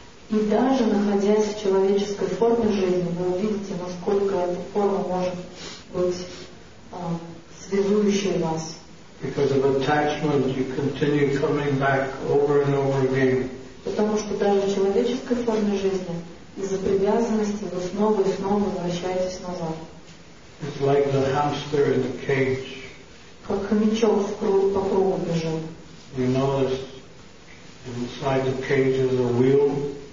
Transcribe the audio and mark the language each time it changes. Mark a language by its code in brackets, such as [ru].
[ru] И даже находясь в человеческой форме жизни, вы увидите, насколько эта форма может быть связующей вас. [en] Because of attachment, you continue coming back over and over again. [ru] Потому что даже в человеческой форме жизни, из-за привязанности, вы снова и снова возвращаетесь назад. [en] It's like the hamster in the cage. [ru] Как хомячок по кругу бежит. [en] You notice inside the cage is a wheel.